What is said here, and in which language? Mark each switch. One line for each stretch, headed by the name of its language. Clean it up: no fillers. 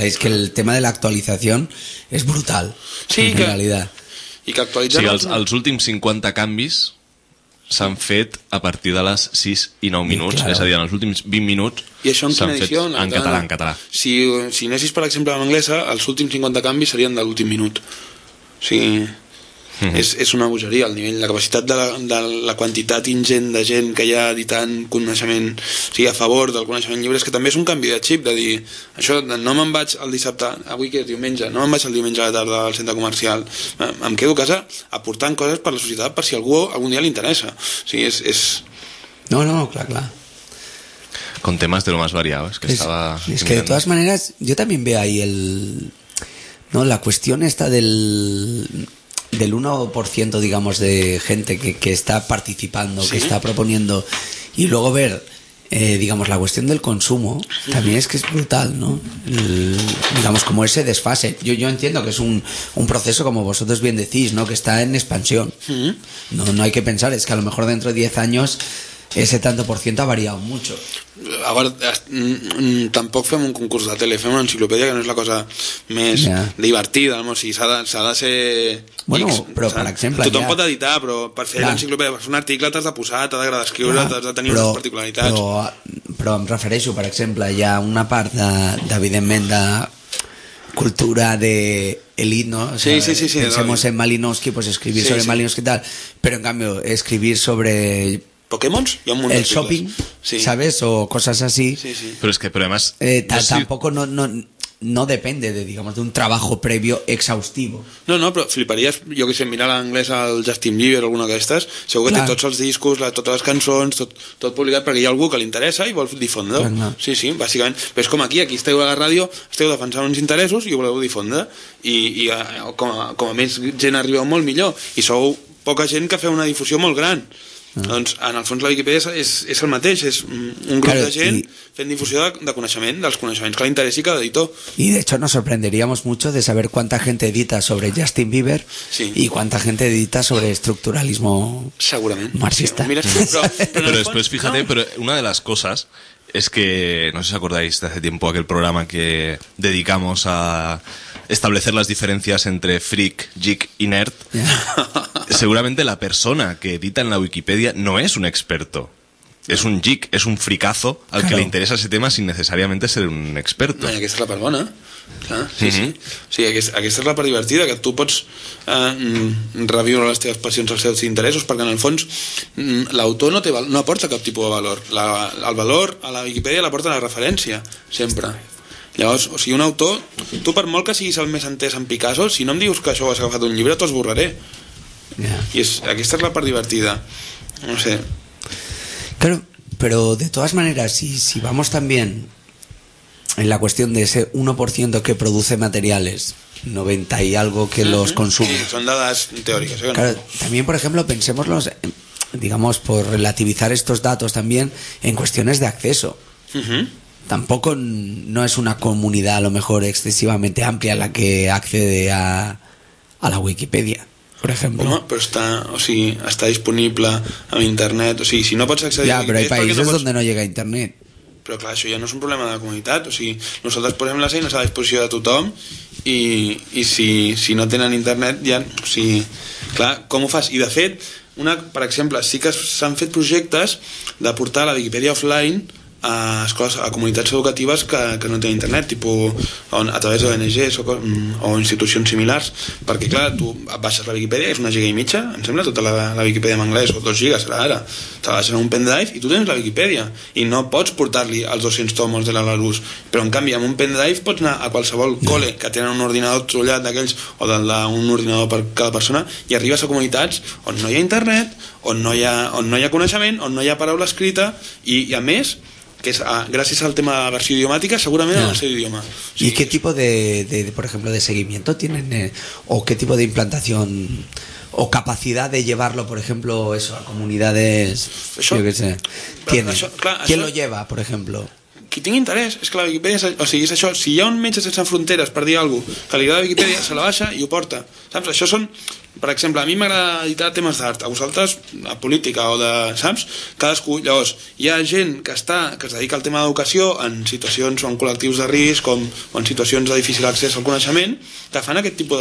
Spanish: Es que el tema de la actualización es brutal. Sí, en realidad.
Catalan: I que actualitzen... Sí, els últims 50 canvis... s'han fet a partir de les 6 i 9 minuts, claro. És a dir, en els últims 20 minuts i això en s'han edició, fet en català, en català. Si anessis, per exemple, en anglesa, els últims 50 canvis serien de l'últim minut. O sigui, és una bogeria el nivell, la capacitat de la quantitat ingent de gent que hi ha editant coneixement, o sigui, a favor del coneixement lliure, és que també és un canvi de xip, de dir, això, no me'n vaig el dissabte, avui que és diumenge, no me'n vaig el diumenge a la tarda al centre comercial, em quedo a casa aportant coses per la societat per si algú algun dia li interessa. O sigui, és... No, clar, clar.
Spanish: Con temes de lo más variado, es que es, estaba... Es que de todas maneras, yo también veo ahí el... No, la cuestión esta del 1%, digamos, de gente que está participando, ¿sí?, que está proponiendo, y luego ver digamos, la cuestión del consumo también es que es brutal, ¿no? Digamos, como ese desfase. Yo entiendo que es un proceso, como vosotros bien decís, ¿no? Que está en expansión. No, no hay que pensar, es que a lo mejor dentro de 10 años ese tanto por ciento ha variado mucho.
Catalan: A ver, tampoc fem un concurs de tele, fem una enciclopèdia, que no és la cosa més divertida, no? Si s'ha de ser... Bueno, però per exemple... Tothom pot editar, però per fer l'enciclopèdia, per fer un article t'has de posar, t'has d'agradar escriure, t'has de tenir unes particularitats. Però em refereixo, per exemple, hi ha una part d'evidentment de cultura de elite, ¿no? O
Spanish: sea, sí. Pensemos en Malinowski, pues escribir sobre Malinowski y tal, però en cambio escribir sobre... Pokémons, y un mundo el shopping, ¿sabes? O cosas así. Pero es que, pero además, tampoco no depende de, digamos, de un trabajo previo exhaustivo. No, no, pero fliparías, yo que sé, mirar a inglés al Justin Bieber o alguna de estas, seguro que tiene todos los discos, todas las canciones, todo publicado, porque hay algo que le interesa y
Catalan: vol difondre.
Spanish: Sí, básicamente. Pero es como aquí
Catalan: esteu a la radio, esteu defensant uns interessos y voleu difondre.
Spanish: Y como
Catalan: a més gent arriba, molt millor. Y sou poca gent que fa una difusión molt gran. Doncs, en el fons, la Wikipedia és el mateix, és un grup de gent fent difusió de coneixement, dels coneixements que li interessi cada editor.
Spanish: I, de hecho, nos sorprenderíamos mucho de saber cuánta gente edita sobre Justin Bieber y cuánta gente edita sobre estructuralismo marxista. Mira,
Catalan: però després,
Spanish: fíjate, però una de las cosas es que, no sé si acordáis de hace tiempo aquel programa que dedicamos a... establecer las diferencias entre freak, geek y nerd. Seguramente la persona que edita en la Wikipedia no es un experto. Es un geek, es un fricazo al que le interesa ese tema sin necesariamente ser un experto.
Catalan: Aquesta és la part bona. Aquesta és la part divertida, que tu pots reviure les teves passions, els teus interessos, perquè en el fons l'autor no aporta cap tipus de valor. El valor a la Wikipedia l'aporta la referència, sempre. Llavors, o sigui, un autor, tu per molt que siguis el més entès en Picasso, si no em dius que això ho has agafat d'un llibre, t'ho esborraré. I aquesta és la part divertida. No sé.
Spanish: Claro, però
Catalan: de totes maneres,
Spanish: si vamos también en la qüestió de ese 1% que produce materiales, 90 y algo que los consume...
Catalan: Sí, són dades teòriques.
Spanish: Claro, también, por ejemplo, pensemoslos, digamos, por relativizar estos datos también en cuestiones de acceso. Tampoco no es una comunidad a lo mejor excesivamente amplia la que accede a la Wikipedia, por ejemplo.
Catalan: Home, però està, o sigui, està disponible amb internet, o sigui, si no pots accedir a Wikipedia... Ja, però hi ha països on no llega internet. Però clar, això ja no és un problema de la comunitat, o sigui, nosaltres posem les eines a la disposició de tothom i si no tenen internet, ja, o sigui, clar, com ho fas? I de fet, per exemple, sí que s'han fet projectes de portar la Wikipedia offline a escoles, a comunitats educatives que no tenen internet, tipus a través d'ONGs o institucions similars, perquè clar, tu baixes la Wikipedia, és una giga i mitja, em sembla, tota la Wikipedia en anglès, o 2 gigas, serà ara, te la baixes en un pendrive i tu tens la Wikipedia i no pots portar-li els 200 tomos de la Larousse, però en canvi amb un pendrive pots anar a qualsevol col·le que tenen un ordinador trullat d'aquells o d'un ordinador per cada persona i arribes a comunitats on no hi ha internet, on no hi ha coneixement, on no hi ha paraula escrita i a més que es,
Spanish: gracias al tema de la versión idiomática, seguramente no sé idioma. ¿Y qué tipo de, por ejemplo, de seguimiento tienen? ¿O qué tipo de implantación o capacidad de llevarlo, por ejemplo, eso, a comunidades? Eso, yo qué sé. ¿Tiene? ¿Quién lo lleva, por ejemplo?
Catalan: Qui tingui interès, és que la Wikipedia, o sigui, és això, si hi ha un metge sense fronteres per dir alguna cosa, que li agrada la Wikipedia, se la baixa i ho porta, saps? Això són, per exemple, a mi m'agrada editar temes d'art, a vosaltres, a política o de, saps? Cadascú, llavors, hi ha gent que es dedica al tema d'educació en situacions o en col·lectius de risc o en situacions de difícil accés al coneixement, que fan aquest tipus